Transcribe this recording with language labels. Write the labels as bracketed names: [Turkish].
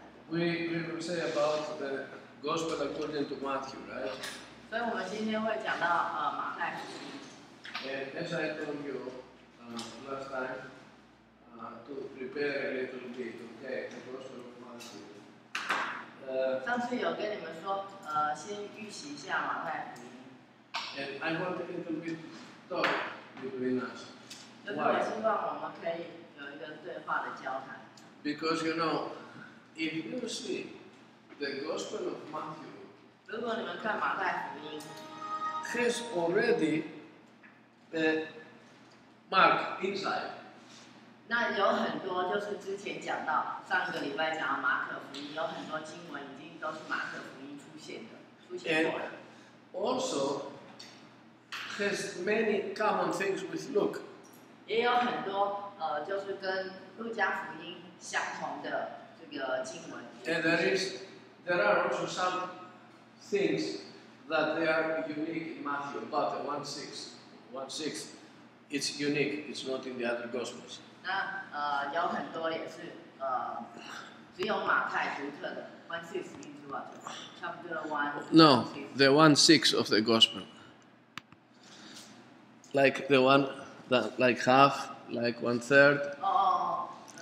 [English] We will say about the gospel according to Matthew, right? [Chinese] 所以我们今天会讲到马太福音。 [English] And as I told you last time, to prepare a little bit, okay, the gospel of Matthew. [Chinese] 上次有跟你们说，先预习一下马太福音。 [English] And I want a little bit talk between us. [Chinese] 就是我希望我们可以有一个对话的交谈。 [English] Because you know. If you see the Gospel of Matthew, [Chinese] 如果你们看马太福音 [English] has already a mark inside. [Chinese] 那有很多就是之前讲到上个礼拜讲的马可福音，有很多经文已经都是马可福音出现的，出现过了。 [English] Also, has many common things with Luke. [Chinese] 也有很多就是跟路加福音相同的。 [English] And there are also some things that they are unique in Matthew, but 1:6 it's unique, it's not in the other Gospels. [Chinese] 那有很多也是只有马太独特的 1:6 之外，差不多 [English] The 1:6 of the Gospel, like the one that like half, like 1/3.